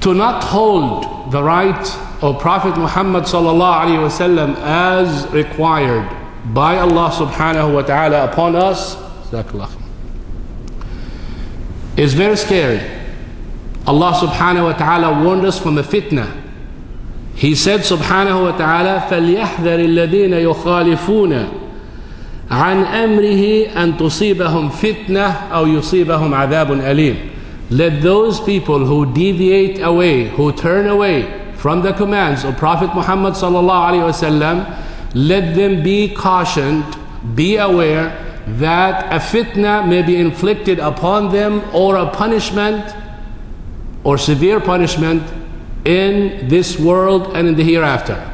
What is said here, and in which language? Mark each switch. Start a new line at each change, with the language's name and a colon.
English: To not hold the right of Prophet Muhammad sallallahu alaihi wasallam as required by Allah subhanahu wa ta'ala upon us is very scary. Allah subhanahu wa ta'ala warned us from a fitna. He said
Arabic: subhanahu wa ta'ala, فَلْيَحْذَرِ الَّذِينَ يُخَالِفُونَ عَنْ أَمْرِهِ أَنْ تُصِيبَهُمْ فِتْنَةً أَوْ يُصِيبَهُمْ عَذَابٌ أَلِيمٌ.
English: Let those people who deviate away, who turn away from the commands of Prophet Muhammad sallallahu alaihi wasallam, let them be cautioned, be aware that a fitna may be inflicted upon them, or a punishment, or severe punishment in this world and in the hereafter.